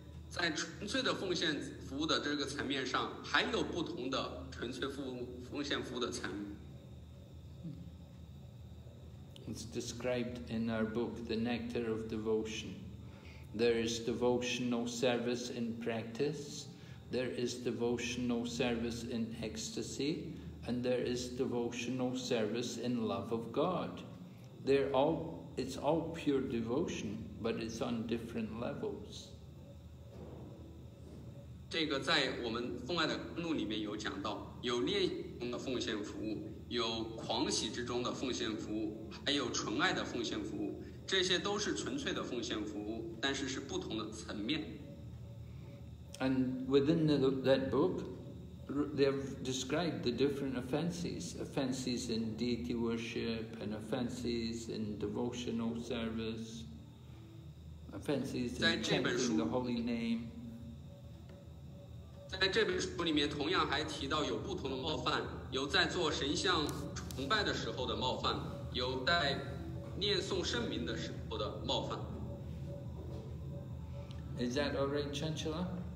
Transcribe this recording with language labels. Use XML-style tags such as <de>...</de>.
<zh>在纯粹的奉献服务的这个层面上，还有不同的纯粹奉献服务的层面。</zh> <en>It's described in our book, The Nectar of Devotion. There is devotional service in practice, there is devotional service in ecstasy, and there is devotional service in love of God. It's all pure devotion, but it's on different levels.</en> <zh>这个在我们奉爱的公录里面有讲到，有烈性的奉献服务。有狂喜之中的奉献服务，还有纯爱的奉献服务，这些都是纯粹的奉献服务，但是是不同的层面。</zh> <en>And within that book, they've described the different offenses in deity worship, and offenses in devotional service, offenses in chanting the holy name.</en> <zh>在这本书里面，同样还提到有不同的冒犯。有在做神像崇拜的时候的冒犯，有在念诵圣名的时候的冒犯。</zh> <en>Is that all right, Chanchala?</en>